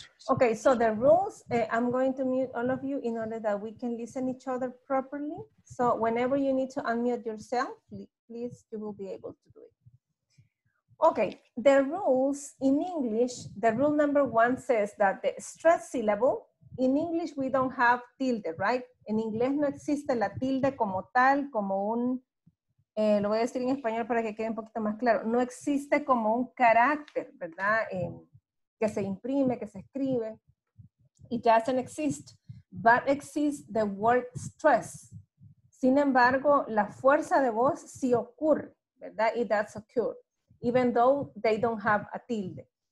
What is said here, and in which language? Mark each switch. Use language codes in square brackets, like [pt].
[en] Okay, so the rules, I'm going to mute all of you in order that we can listen each other properly. So whenever you need to unmute yourself, please, you will be able to do it. Okay, the rules in English, the rule number one says that the stress syllable, in English we don't have tilde, right? [es] En inglés no existe la tilde como tal, como un, lo voy a decir en español para que quede un poquito más claro, no existe como un carácter, ¿verdad? Que se imprime, que se escribe. [en] It doesn't exist, but exists the word stress. [es] Sin embargo, la fuerza de voz sí ocurre, ¿verdad? [en] It does occur, even though they don't have a tilde.